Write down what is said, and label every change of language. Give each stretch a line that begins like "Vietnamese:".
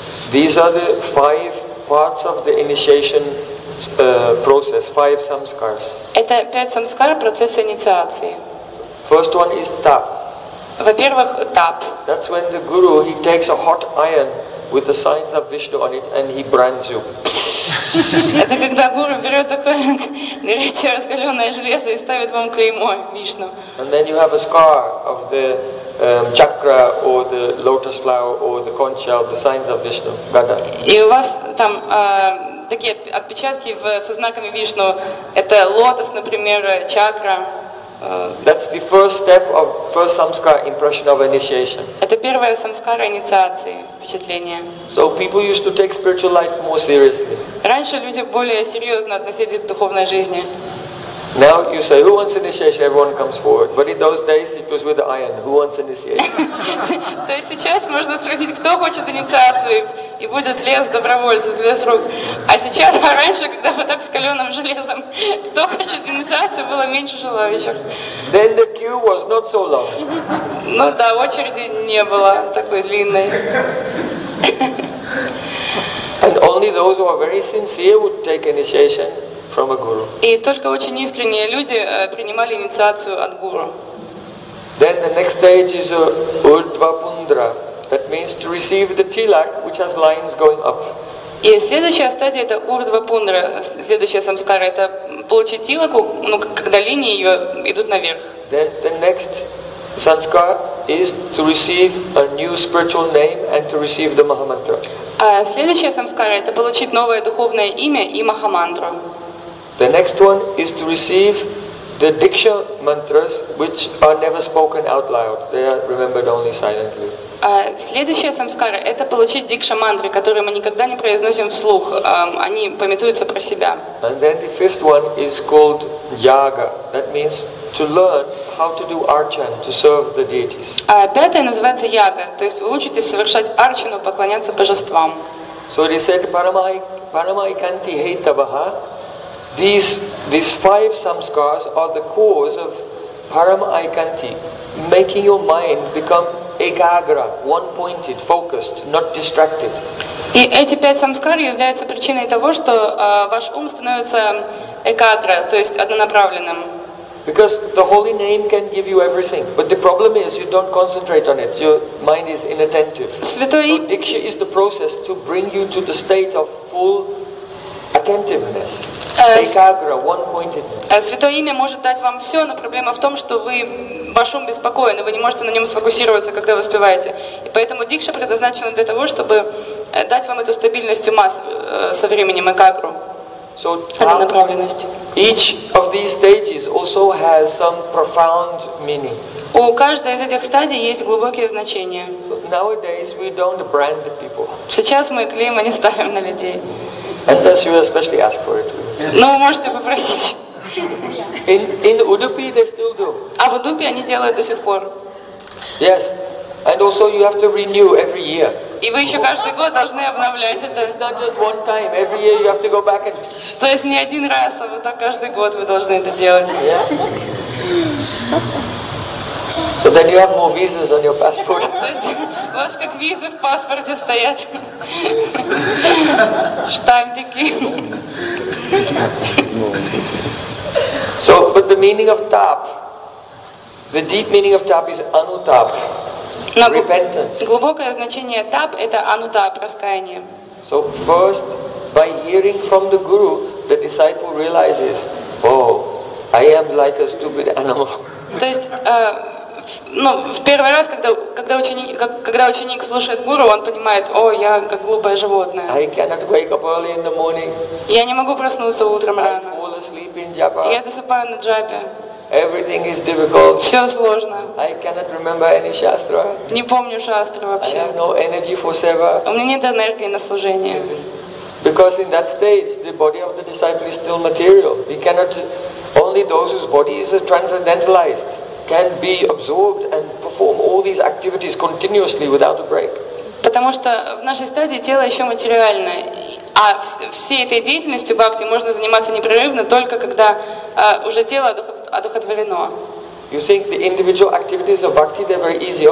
English: These are the five parts of the initiation. Process five samskars.
Russian: Это пять самскар процесса инициации.
English: First one is tap.
Russian: Во-первых, tap.
English: That's when the guru he takes a hot iron with the signs of Vishnu on it and he brands you.
Russian: Это когда гуру берет такое горячее раскаленное железо и ставит вам клеймо Вишну.
English: And then you have a scar of the chakra or the lotus flower or the conch shell, the signs of Vishnu. Better.
Russian: И у вас там такие отпечатки со знаками Вишну. Это лотос, например, чакра.
English: That's the first step of first samskara impression of initiation.
Russian: Это первая самскара инициации, впечатление.
English: So people used to take spiritual life more seriously.
Russian: Раньше люди более серьезно относились к духовной жизни.
English: Now you say, who wants initiation? Everyone comes forward. But in those days, it was with iron. Who wants initiation?
Russian: То есть сейчас можно спросить, кто хочет инициацию, и будет лес добровольцев, лес рук. А сейчас, раньше, когда вы так с каленым железом, кто хочет инициацию, было меньше желающих.
English: Then the queue was not so long.
Russian: Ну да, очереди не было такой длинной.
English: And only those who are very sincere would take initiation. From a guru.
Russian: И только очень искренние люди принимали инициацию от гуру.
English: Then the next stage is Urdhvapundra. That means to receive the tilak, which has lines going up.
Russian: И следующая стадия это Урдхвапундра. Следующая самскара это получить тилаку, ну когда линии ее идут наверх.
English: Then the next samskara is to receive a new spiritual name and to receive the mahamantra.
Russian: А следующая самскара это получить новое духовное имя и махамантру.
English: The next one is to receive the Diksha mantras, which are never spoken out loud. They are remembered only silently.
Russian: Следующая самскара – это получить Диксха мантры, которые мы никогда не произносим вслух. Они памятуются про себя.
English: And then the fifth one is called Yaga. That means to learn how to do archan, to serve the deities.
Russian: Пятая называется Yaga, то есть вы учитесь совершать арчану, поклоняться божествам.
English: So it is said,
Sanskrit: Paramaikanti Hetavaha.
English: These five samskaras are the cause of param aikanti, making your mind become ekagra, one-pointed, focused, not distracted.
Russian: И эти пять самскар являются причиной того, что ваш ум становится экагра, то есть однонаправленным.
English: Because the holy name can give you everything, but the problem is you don't concentrate on it. Your mind is inattentive.
Russian: Святой...
English: So Diksha is the process to bring you to the state of full. Attentiveness. Ekagra, one-pointedness.
Russian: Святое имя может дать вам все, но проблема в том, что ваш ум беспокоен, и вы не можете на нем сфокусироваться, когда вы спеваете. И поэтому дикша предназначена для того, чтобы дать вам эту стабильность ума со временем, экагру.
English: So,
Russian: однонаправленность.
English: Each of these stages also has some profound meaning.
Russian: У каждой из этих стадий есть глубокие значения.
English: So, nowadays we don't brand the people.
Russian: Сейчас мы клейма не ставим на людей.
English: Unless you especially ask for it.
Russian: Но вы можете попросить.
English: In Udupi they still do.
Russian: А в Удупи они делают до сих пор.
English: Yes, and also you have to renew every year.
Russian: И вы еще каждый год должны обновлять это.
English: It's not just one time. Every year you have to go back and.
Russian: То есть не один раз, а вот так каждый год вы должны это делать.
English: So then you have more visas on your passport.
Russian: То есть у вас как визы в паспорте стоят. Штампики.
English: So, but the meaning of tap, the deep meaning of tap is anutap, repentance.
Russian: Глубокое значение tap это anutap, раскаяние.
English: So first, by hearing from the guru, the disciple realizes, oh, I am like a stupid animal.
Russian: То есть ну, в первый раз, когда ученик слушает гуру, он понимает, о, я как глупое животное.
English: I cannot wake up early in the morning.
Russian: Я не могу проснуться утром рано.
English: I fall asleep in japa.
Russian: Я засыпаю на джапе.
English: Everything is difficult.
Russian: Все сложно.
English: I cannot remember any shastra.
Russian: Не помню шастру вообще.
English: I have no energy for seva.
Russian: У меня нет энергии на служение.
English: Because in that stage, the body of the disciple is still material. He cannot, only those whose body is transcendentalized. Can be absorbed and perform all these activities continuously without a break.
Russian: Потому что в нашей стадии тело еще материальное, а всей этой деятельностью бхакти можно заниматься непрерывно только когда уже тело одухотворено.
English: You think the individual activities of bhakti they're very easy?